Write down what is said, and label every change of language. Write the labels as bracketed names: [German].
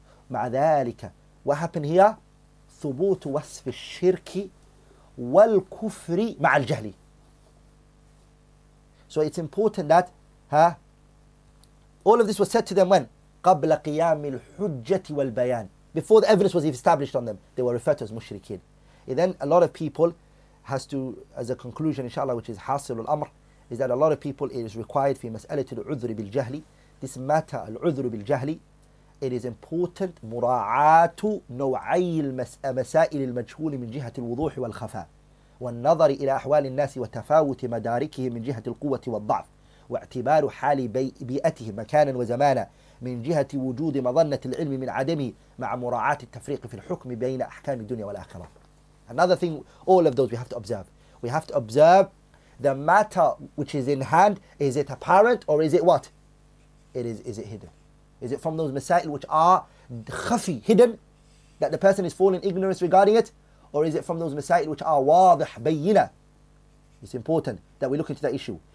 [Arabic] مَعَ ذَلِكَ, [English] what happened here? [Arabic] ثُبُوتُ وَصْفِ الشِّرْكِ وَالْكُفْرِ مَعَ الْجَهْلِ. [English] So it's important that, huh? All of this was said to them when? [Arabic] قَبْلَ قِيَامِ الْحُجَّةِ وَالْبَيَانِ. [English] Before the evidence was established on them, they were referred to as mushrikeen. And then a lot of people has to, as a conclusion, inshallah, which is [Arabic] حَاصِلُ الْأَمْرِ, [English] is that a lot of people, it is required [Arabic] في مسألة الْعُذْرِ بِالْجَهْلِ, [English] this matter, [Arabic] الْعُذْرُ بِالْجَهْلِ, [English] it is important [Arabic] مُرَاعَاتُ نَوْعَيِّ الْمَسَائِلِ الْمَجْهُولِ مِنْ جِهَةِ الْوُضُوحِ وَالْخَفَاءِ والنظر إلى أحوال الناس وتفاوت مداركهم من جهة القوة والضعف واعتبار حال بيئتهم مكانا وزمانا من جهة وجود مظنة العلم من عدمه مع مراعاة التفريق في الحكم بين أحكام الدنيا والآخرة. [English] Another thing, all of those we have to observe. We have to observe the matter which is in hand. Is it apparent or is it what? Is it hidden? Is it from those masail which are khafi, hidden, that the person is fallen ignorance regarding it? Or is it from those masail which are wadih, bayyina? It's important that we look into that issue.